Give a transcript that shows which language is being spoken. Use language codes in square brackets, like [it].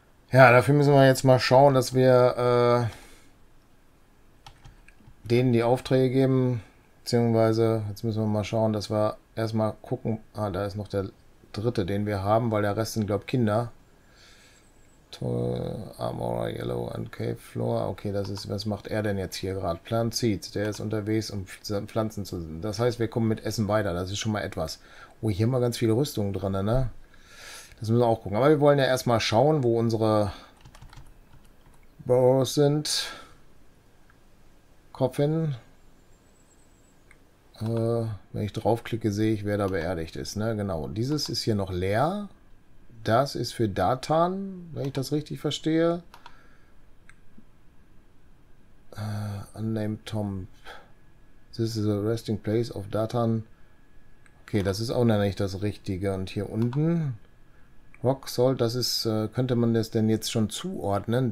[de] Dafür müssen wir jetzt mal schauen, dass wir denen die Aufträge geben. Beziehungsweise, jetzt müssen wir mal schauen, dass wir erstmal gucken. Ah, da ist noch der dritte, den wir haben, weil der Rest sind, glaube ich, Kinder. Toll, Amora, Yellow and Cave Floor. Okay, das ist, was macht er denn jetzt hier gerade? Plant Seeds, der ist unterwegs, um Pflanzen zu sehen. Das heißt, wir kommen mit Essen weiter. Das ist schon mal etwas. Oh, hier haben wir ganz viele Rüstungen drin, ne? Das müssen wir auch gucken. Aber wir wollen ja erstmal schauen, wo unsere Burrows sind. Coffin. Wenn ich draufklicke, sehe ich, wer da beerdigt ist, ne? Genau. Dieses ist hier noch leer. Das ist für Datan, wenn ich das richtig verstehe. [en] Unnamed Tomb. This is a resting place of Datan. [de] Okay, das ist auch noch nicht das Richtige. Und hier unten. Rock Salt, das ist. Könnte man das denn jetzt schon zuordnen?